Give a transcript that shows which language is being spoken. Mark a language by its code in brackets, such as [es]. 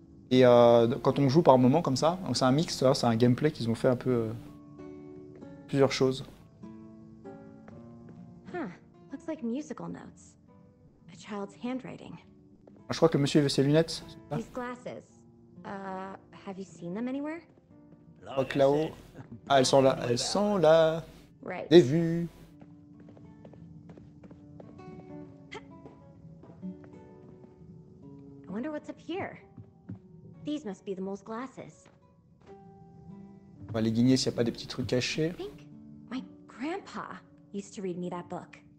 [fr] Et quand on joue par moment comme ça, donc c'est un mix, c'est un gameplay qu'ils ont fait un peu plusieurs choses. [en] like musical notes. A child's handwriting. [fr] Je crois que monsieur veut ses lunettes. C'est ça. [en] These glasses. Have you seen them anywhere? [fr] Oh, là-haut. Ah, elles sont là. Elles sont là. [en] Right. [fr] Des vues. [en] I wonder what's up here. These must be the mole's glasses. [fr] On va les guigner s'il n'y a pas des petits trucs cachés. [en] My grandpa used to read me that book.